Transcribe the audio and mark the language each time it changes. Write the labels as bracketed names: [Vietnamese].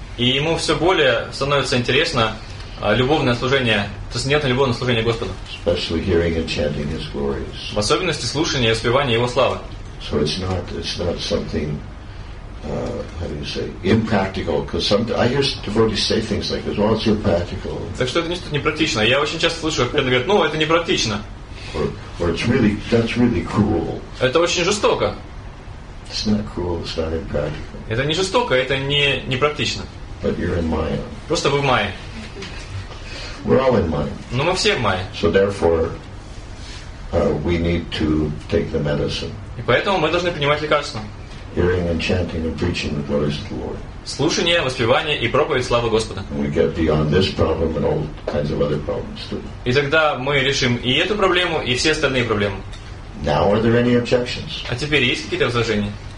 [Russian] И ему все более становится интересно любовное служение, то есть нет любовного служения Господу. [English] Especially hearing and chanting His glories. [Russian] В особенности слушание и воспевание Его славы. [English] So it's not something, how do you say, impractical? Because I hear devotees say things like, "Well, it's impractical." [Russian] Так что это не что-то непрактично. Я очень часто слышу, как преданные говорят, "Ну, это непрактично." [English] Or it's really, that's really cruel. [Russian] Это очень жестоко. [English] It's not cruel. It's not impractical. [Russian] Это не жестоко, это не непрактично. [English] But you're in Maya. [Russian] Просто вы в Майе. [English] We're all in Maya. [Russian] Но мы все в Майе. [English] So therefore, we need to take the medicine. [Russian] И поэтому мы должны принимать лекарства. [English] Hearing and chanting and preaching the glories of the Lord. [Russian] Слушание, воспевание и проповедь славы Господа. [English] And we get beyond this problem and all kinds of other problems too. [Russian] И тогда мы решим и эту проблему, и все остальные проблемы. [English] Now are there any objections? [Russian] А теперь есть какие-то возражения?